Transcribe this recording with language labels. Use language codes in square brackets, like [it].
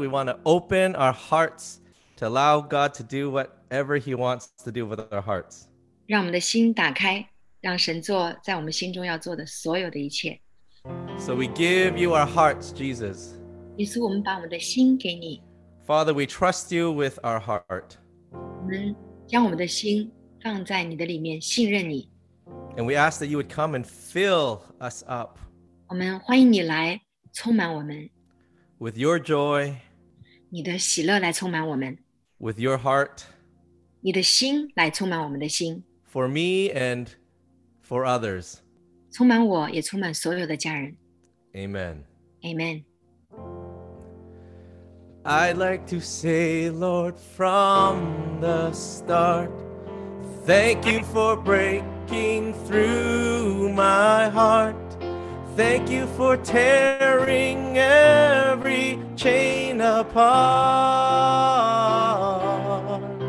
[en] We want to open our hearts to allow God to do whatever He wants to do with our hearts. [zh] 让我们的心打开，让神做在我们心中要做的所有的一切。 [en] So we give you our hearts, Jesus. [zh] 耶稣，我们把我们的心给你。 [en] Father, we trust you with our heart. [zh] 我们将我们的心放在你的里面，信任你。 [en] And we ask that you would come and fill us up. [zh] 我们欢迎你来充满我们。 [en] With your joy. [zh] 你的喜乐来充满我们。 [en] With your heart. [zh] 你的心来充满我们的心。 [en] For me and for others. [zh] 充满我也充满所有的家人。 [en] Amen. Amen. I'd like to say, Lord, from the start, thank you for breaking through my heart. Thank you for tearing every chain apart.